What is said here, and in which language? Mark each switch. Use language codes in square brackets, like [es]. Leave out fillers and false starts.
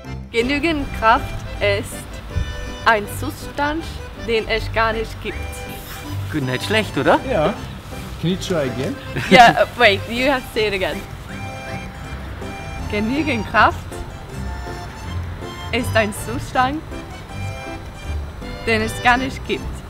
[de] Genügend Kraft ist ein Zustand, den es gar nicht gibt. Gut, nicht schlecht, oder? [en] Ja. Can you try again? Yeah, wait, you have to say it again. [de] Genügend Kraft ist ein Zustand, den es gar nicht gibt.